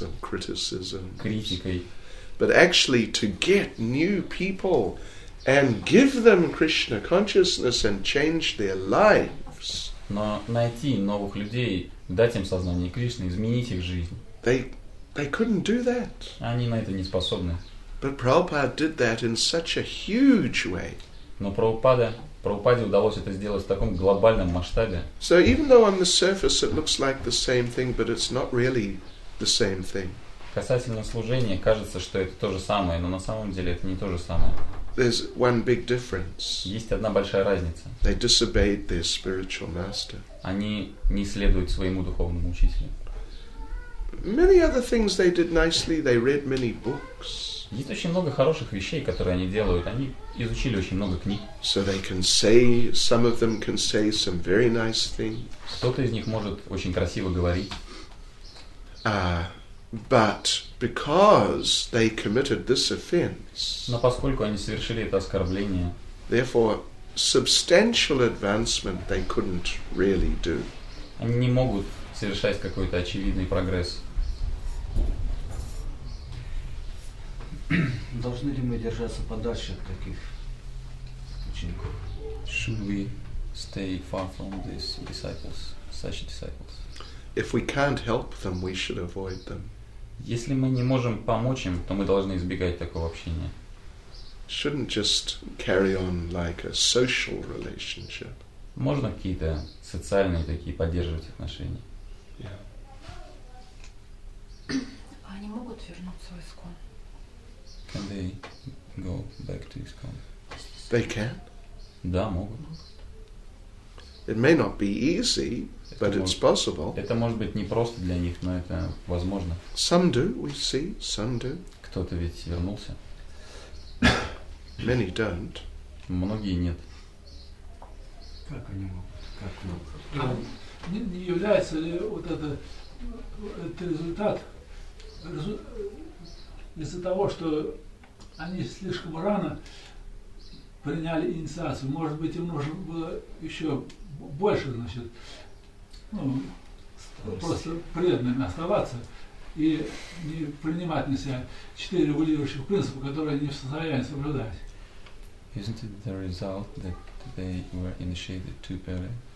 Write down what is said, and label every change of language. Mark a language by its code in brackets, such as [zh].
[ru] Критикой. [en] But actually to get new people and give them Krishna consciousness and change their lives. [ru] Но найти новых людей, дать им сознание Кришны, изменить их жизнь. [en] They couldn't do that. [ru] Они на это не способны. [en] But Prabhupada did that in such a huge way. [ru] Но Прабхупаде удалось это сделать в таком глобальном масштабе. [en] So even though on the surface it looks like the same thing, but it's not really the same thing. [ru] Касательно служения, кажется, что это то же самое, но на самом деле это не то же самое. [en] There's one big difference. [ru] Есть одна большая разница. [en] They disobeyed their spiritual master. [ru] Они не следуют своему духовному учителю. [en] Many other things they did nicely. They read many books. [ru] Есть очень много хороших вещей, которые они делают. Они изучили очень много книг. [en] So they can say, some of them can say some very nice things. [ru] Кто-то из них может очень красиво говорить. [en] But because they committed this offense. [ru] Но поскольку они совершили это оскорбление. [en] Therefore, substantial advancement they couldn't really do. [ru] Они не могут совершать какой-то очевидный прогресс. Должны ли мы держаться подальше от таких учеников? [en] Should we stay far from these disciples, such disciples? If we can't help them, we should avoid them. [ru] Если мы не можем помочь им, то мы должны избегать такого общения. [en] Shouldn't just carry on like a social relationship? [ru] Можно какие-то социальные такие поддерживать отношения? [en] Yeah. [ru] Они могут вернуться в ИСКО? [en] Can they go back to ISKCON? They can. [ru] Да, могут. [en] It may not be easy, but it's possible. [ru] Это может быть не просто для них, но это возможно. [en] Some do, we see. Some do. [ru] Кто-то ведь вернулся. [en] Many don't. [ru] Многие нет. Как они могут? Как могут? Не является ли вот это результат? Из-за того, что они слишком рано приняли инициацию, может быть, им нужно было еще больше, значит, просто преданными оставаться и не принимать на себя четыре регулирующих принципа, которые они в состоянии соблюдать. [en] Isn't it the result that they were initiated too early?